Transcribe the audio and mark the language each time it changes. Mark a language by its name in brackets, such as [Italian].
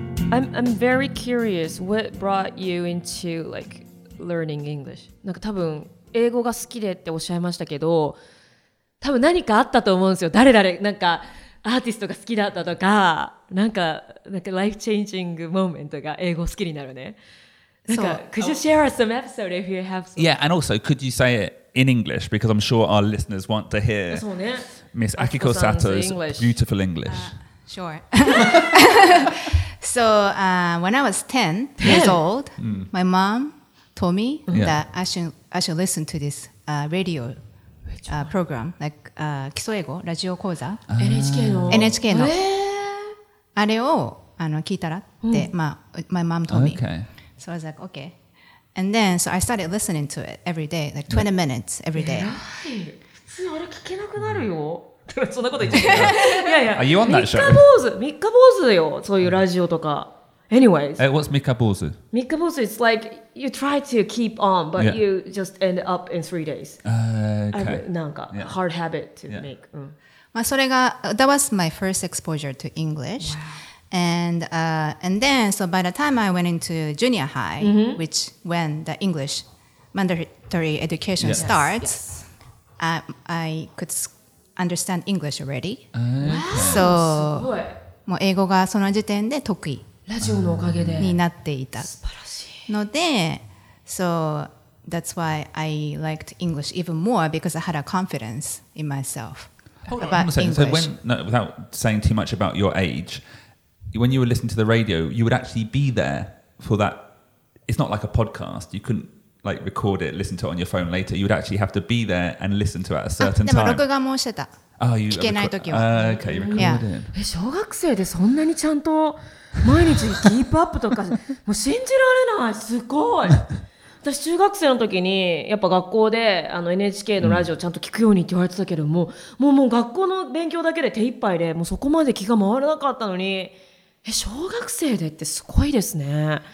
[English] I'm very curious what brought you into like learning English. [Japanese] なんか多分英語が好きでっておっしゃいましたけど、多分何かあったと思うんですよ。誰なんか。アーティストが好きだったとか、なんかライフチェンジングモーメントが英語好きになるね。 [English] なんか、so, could you share some episode if you have some? Yeah, and also, could you say it in English? Because I'm sure our listeners want to hear、 [Japanese] ね、 [English] Miss Akiko Sato's beautiful English. Sure. So, when I was 10 years old, my mom told me、yeah. that I should listen to this radio. Program like 基礎英語ラジオ講座 [Japanese] NHK の、あれをあの聞いたらって、うん、まあ [English] my mom told me、 okay. so I was like okay and then so I started listening to it every day like 20 minutes every day [Japanese] 普通あれ聞けなくなるよ、うん、そんなこと言ってないやいや [English] Are you on that show? [Japanese] 三日坊主だよそういうラジオとか、 [English] okay. anyways what's 三日坊主三日坊主 it's likeYou try to keep on, but、yeah. you just end up in 3 days. Hard habit to、yeah. make.、 [Japanese] まあ、それが [English] that was my first exposure to English.、 Wow. And then, so by the time I went into junior high,、mm-hmm. which when the English mandatory education、yeah. starts, yes, yes. I could understand English already.、 Okay. [Japanese] So, 英語がその時点で得意ラジオのおかげでになっていた。素晴らしい。 [English] ので、so that's why I liked English even more because I had a confidence in myself about English. So when, no, without saying too much about your age, when you were listening to the radio, you would actually be there for that. It's not like a podcast. You couldn't like record it, listen to it on your phone later. You would actually have to be there and listen to it at a certain time. [Japanese] でも録画もしてた。 [English] Oh, you [Japanese] 聞けない時は。 [English] Okay, you recorded. [Japanese] 小学生でそんなにちゃんと毎日キープアップとかもう信じられないすごい私中学生の時にやっぱ学校であの NHK のラジオちゃんと聞くようにって言われてたけど、うん、もう学校の勉強だけで手一杯でもうそこまで気が回らなかったのに、え、小学生でってすごいですね。